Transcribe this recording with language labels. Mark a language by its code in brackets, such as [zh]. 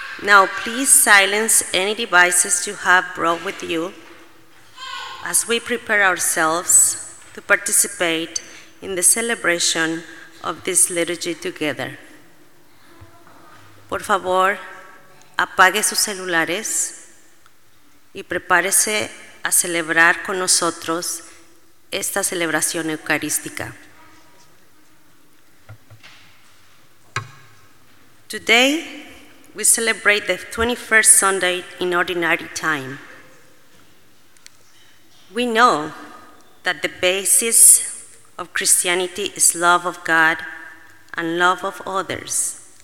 [en] Now please silence any devices you have brought with you as we prepare ourselves to participate in the celebration of this liturgy together. [es] Por favor, apague sus celulares y prepárese a celebrar con nosotros esta celebración eucarística. [en] Today, we celebrate the 21st Sunday in Ordinary Time. We know that the basis of Christianity is love of God and love of others.